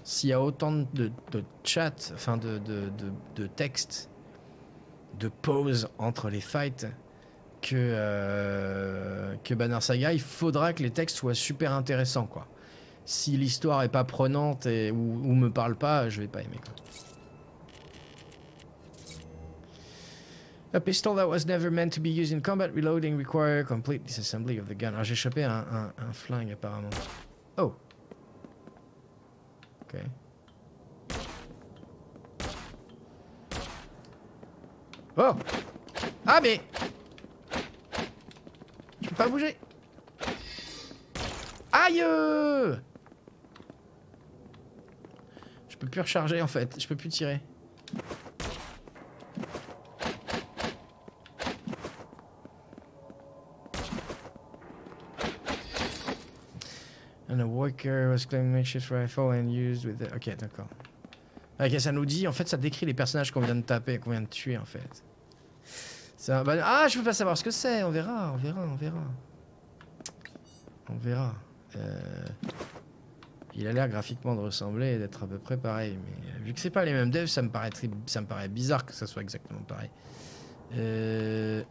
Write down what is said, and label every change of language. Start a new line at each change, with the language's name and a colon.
French: S'il y a autant de chat, enfin de texte, de pause entre les fights que Banner Saga, il faudra que les textes soient super intéressants, quoi. Si l'histoire est pas prenante et ou me parle pas, je vais pas aimer quoi.
English: A pistol that was never meant to be used in combat, reloading require complete disassembly of the gun.
French: Ah, j'ai chopé un flingue apparemment. Oh. Ok. Oh. Ah mais. Je peux pas bouger. Aïe. Je peux plus recharger en fait, je peux plus tirer.
English: And a worker was claiming makeshift rifle and used with the...
French: Ok, d'accord. Ok, ça nous dit, en fait ça décrit les personnages qu'on vient de taper, qu'on vient de tuer en fait. C'est un... Ah, je peux pas savoir ce que c'est, on verra, on verra, on verra. On verra. Il a l'air graphiquement de ressembler et d'être à peu près pareil, mais vu que c'est pas les mêmes devs, ça me paraît bizarre que ça soit exactement pareil.